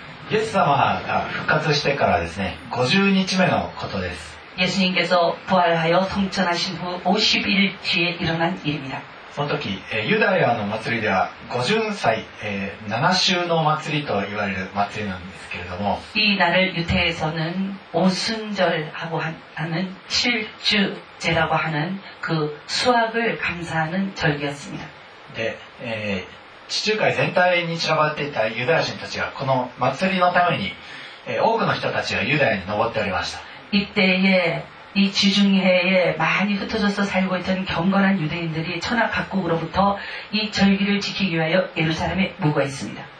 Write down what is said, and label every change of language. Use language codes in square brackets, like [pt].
[ja] イエス様が復活してからですね、50日目のことです。 [ko] イエス님께서부활하여성천하신후50일뒤에일어난일입니다。 [ja] その時、ユダヤの祭りでは五旬祭、7週の祭りと言われる祭りなんですけれども、 [ko] 이날을유태에서는오순절하고하는7주제라고하는그수확을감사하는절기였습니다。 [ja] で、地中海全体に散らばっていたユダヤ人たちがこの祭りのために、多くの人たちがユダヤに登っておりました。 [ko] 이때에이지중해에많이흩어져서살고있던경건한유대인들이천하각국으로부터이절기를지키기위하여예루살렘에모여있습니다。